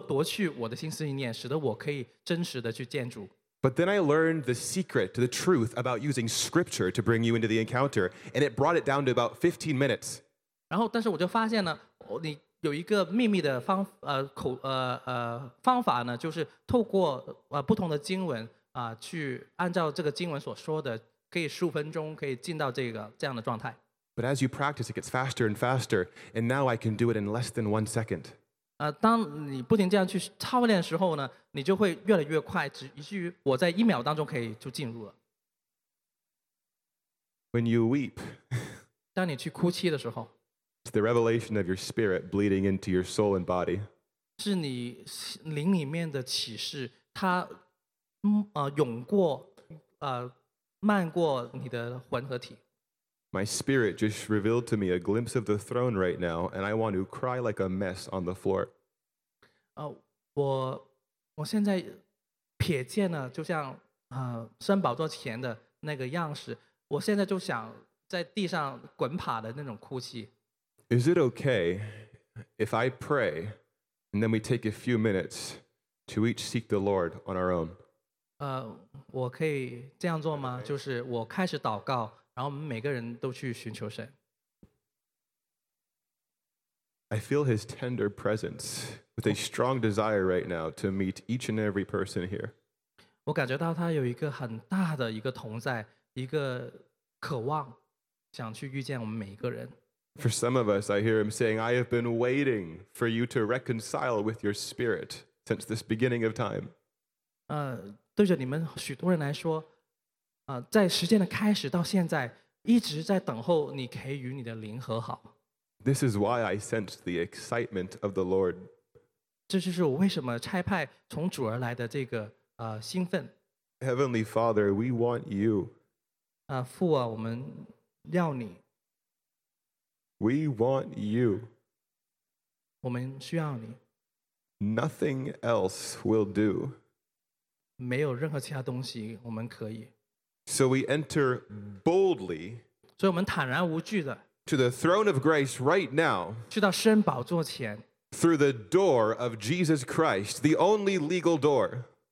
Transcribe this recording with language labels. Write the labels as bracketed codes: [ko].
[zh] 有时候我会花一整个小时去等候，直到他有一刻去夺去我的心思意念，使得我可以真实的去见主。 [en] But then I learned the secret to the truth about using scripture to bring you into the encounter, and it brought it down to about 15 minutes. [zh] 然后，但是我就发现呢，你有一个秘密的方法呢，就是透过不同的经文，去按照这个经文所说的，可以15分钟可以进到这个这样的状态。 [en] But as you practice, it gets faster and faster, and now I can do it in less than 1 second. [zh] 当你不停这样去操练的时候呢，你就会越来越快，以至于我在一秒当中可以就进入了。 [en] When you weep, [zh] 当你去哭泣的时候, [en] it's the revelation of your spirit bleeding into your soul and body. [zh] 是你灵里面的启示，它涌过漫过你的魂和体。 [en] My spirit just revealed to me a glimpse of the throne right now, and I want to cry like a mess on the floor. [zh] 我现在瞥见了，就像圣宝座前的那个样式，我现在就想在地上滚爬的那种哭泣。 [en] Is it okay if I pray and then we take a few minutes to each seek the Lord on our own? [zh] 我可以这样做吗？就是我开始祷告。然后我们每个人都去寻求神。 [en] I feel his tender presence with a strong desire right now to meet each and every person here. [zh] 我感觉到他有一个很大的一个同在，一个渴望，想去遇见我们每一个人。 [en] For some of us, I hear him saying, I have been waiting for you to reconcile with your spirit since this beginning of time. [zh] 对着你们许多人来说，在时间的开始到现在，一直在等候你可以与你的灵和好。 [en] This is why I sense the excitement of the Lord. [zh] 这就是我为什么差派从主而来的这个兴奋。 [en] Heavenly Father, we want you. [zh] 父啊，我们要你。 [en] We want you. [zh] 我们需要你。 [en] Nothing else will do. [zh] 没有任何其他东西我们可以。 [en] So we enter boldly to the throne of grace right now through the door of Jesus Christ, the only legal door.